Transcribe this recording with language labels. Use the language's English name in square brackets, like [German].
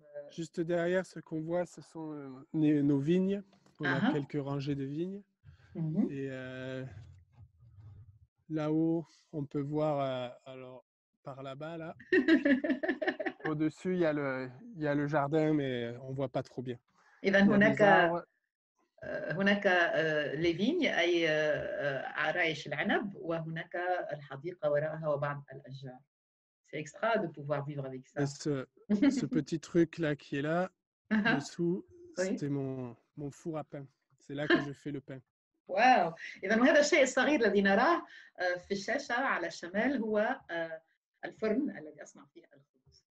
[French] Juste derrière, ce qu'on voit, ce sont nos vignes. On a quelques rangées de vignes. Mm-hmm. Et là-haut, on peut voir, alors, par là-bas, là. Au-dessus, il y a le jardin, mais on ne voit pas trop bien. [Arabic] Et bien, هناك ليفيني أي عرايش العنب وهناك الحديقة وراءها وبعض الأشجار. [French] C'est extra de pouvoir vivre avec ça. Ce petit truc là qui est là, dessous, c'était mon four à pain. C'est là que je fais le pain. Wow. [Arabic] إذا هذا الشيء الصغير الذي نراه في الشاشة على الشمال هو الفرن الذي أصنع فيه الخبز.